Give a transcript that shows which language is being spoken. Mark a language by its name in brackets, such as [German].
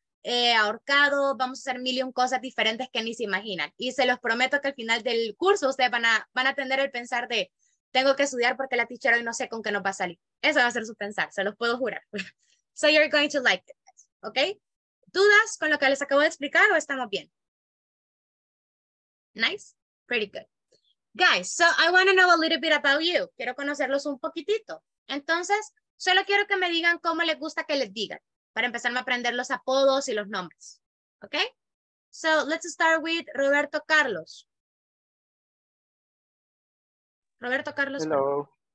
[Spanish] Ahorcado, vamos a hacer 1,000,000 cosas diferentes que ni se imaginan, y se los prometo que al final del curso ustedes van a tener el pensar de, tengo que estudiar porque la teacher hoy no sé con qué nos va a salir. Eso va a ser su pensar, se los puedo jurar. [English] So you're going to like it, [Spanish] ¿ok? ¿Dudas con lo que les acabo de explicar o estamos bien? [English] Nice, pretty good. Guys, so I want to know a little bit about you. [Spanish] Quiero conocerlos un poquitito. Entonces, solo quiero que me digan cómo les gusta que les digan. para empezarme a aprender los apodos y los nombres. [English] Okay? So let's start with Roberto Carlos. Roberto Carlos. Hello.